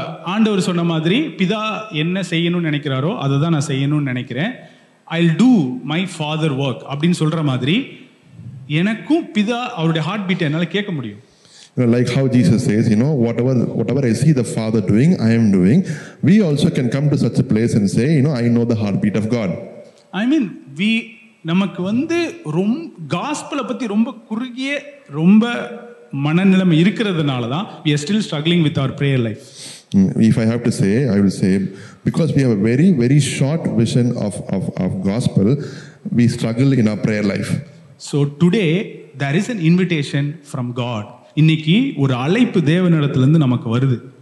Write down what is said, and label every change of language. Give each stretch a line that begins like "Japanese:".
Tamil: ஆண்டவர் சொன்ன மாதிரி பிதா என்ன செய்யணும்னு நினைக்கிறாரோ அதை தான் நான் செய்யணும்னு நினைக்கிறேன்.
English: I will do my father work
Tamil: அப்படின்னு சொல்கிற மாதிரி எனக்கும் பிதா அவருடைய ஹார்ட் பீட் என்னால் கேட்க முடியும்.
English: You know, like how Jesus says, you know, whatever I see the Father doing, I am doing. We also can come to such a place and say, you know, I know the heartbeat of God. I mean,
Tamil: நமக்கு வந்து ரொம்ப காஸ்பலை பற்றி ரொம்ப குறுகிய ரொம்ப மனநிலைமை இருக்கிறதுனால தான்
English: we are still struggling with our prayer life. If I have to say, I will say, because we have a very, very short vision of gospel, we struggle in our prayer life. So today, there is an invitation from God.
Tamil: இன்னைக்கு ஒரு அழைப்பு தேவனிடத்திலிருந்து நமக்கு வருது.